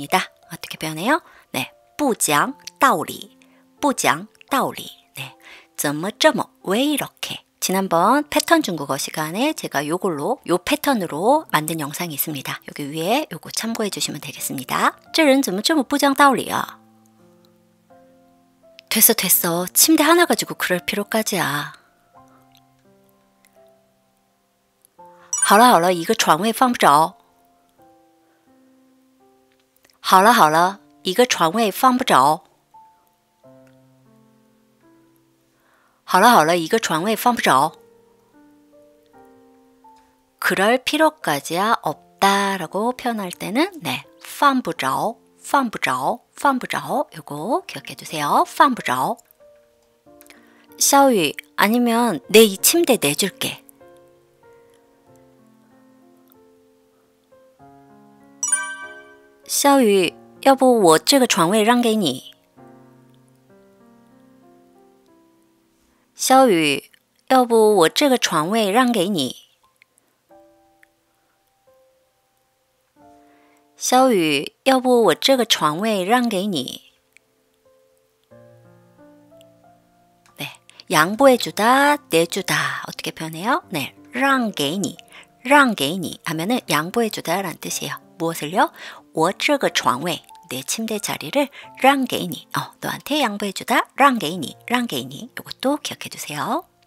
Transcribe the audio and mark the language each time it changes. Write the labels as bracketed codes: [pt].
[ko] 네, 막무가내다, 아나무인이다. 어떻게 표현해요? 네, [zh] 不讲道理, 不讲道理. [ko] 네, [zh] 怎么这么, [ko] 왜 이렇게? 지난번 패턴 중국어 시간에 제가 요걸로 요 패턴으로 만든 영상이 있습니다. 여기 위에 요거 참고해 주시면 되겠습니다. [zh] 这人怎么这么不讲道理啊? [ko] 됐어 됐어. 침대 하나 가지고 그럴 필요까지야. [zh] 好了好了,一个床位放不着。好了好了,一个床位放不着。好了好了，一个床位放不着。 [ko] 그럴 필요까지야 없다라고 표현할 때는 네, [zh] 放不着, 放不着, 放不着 [ko] 이거 기억해 주세요. [zh] 放不着. [ko] 小雨, 아니면 내 이 침대 내줄게. [zh] 小雨, 要不 我这个床位让给你。小雨, 要不 我这个床位让给你。小雨, 要不 我这个床位让给你。 [ko] 네, 양보해주다, 내주다 어떻게 표현해요? 네, [zh] 让给你, 让给你 [ko] 하면은 양보해주다라는 뜻이에요. 무엇을요? [zh] 我这个床位, [ko] 내 침대 자리를 让给你, 너한테 양보해주다, [zh] 让给你, 让给你 [ko] 이것도 기억해주세요.